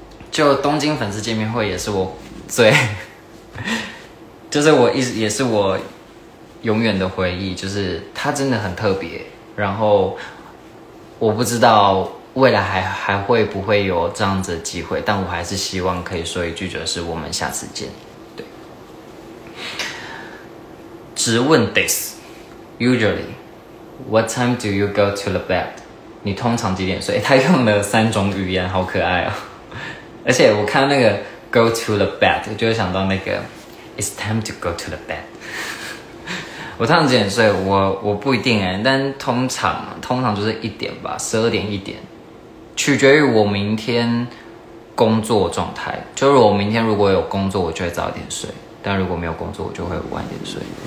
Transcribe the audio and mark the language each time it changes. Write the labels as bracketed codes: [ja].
[zh] 就东京粉丝见面会也是我最，就是我也是我永远的回忆，就是它真的很特别。然后我不知道未来还会不会有这样子的机会，但我还是希望可以说一句，就是我们下次见。对，只问 [en] this usually。 What time do you go to the bed? [zh] 你通常几点睡？他用了三种语言，好可爱哦！而且我看到那个 [en] go to the bed， [zh] 就会想到那个 [en] it's time to go to the bed。 [zh] 我通常几点睡？我不一定哎，但通常就是一点吧，十二点一点，取决于我明天工作状态。就是我明天如果有工作，我就会早点睡；但如果没有工作，我就会晚点睡。